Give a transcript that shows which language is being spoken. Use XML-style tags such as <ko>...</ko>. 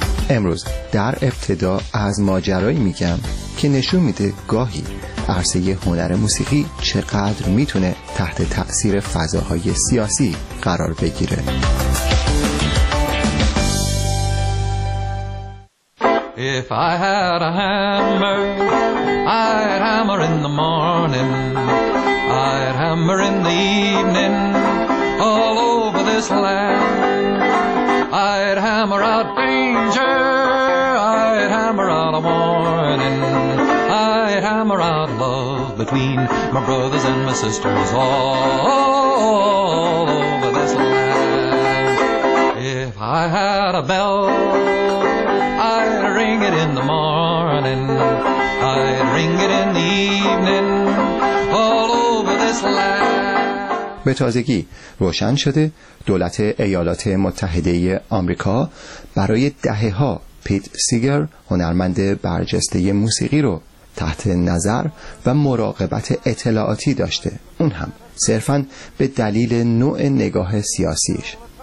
<fa>امروز در ابتدا از ماجرایی میگم که نشون میده گاهی عرصه هنر موسیقی چقدر میتونه تحت تأثیر فضاهای سیاسی قرار بگیره.</fa> <en>If I had a hammer, I'd hammer in the morning, I'd hammer in the evening, all over this land. I'd hammer out danger, I'd hammer out a warning, I'd hammer out love between my brothers and my sisters all over this land. If I had a bell, I'd ring it in the morning, I'd ring it in the evening, all over this land.</en> <fa>به تازگی روشن شده دولت ایالات متحده آمریکا برای دهه‌ها پیت سیگر، هنرمند برجسته موسیقی، رو تحت نظر و مراقبت اطلاعاتی داشته، اون هم صرفاً به دلیل نوع نگاه سیاسیش.</fa>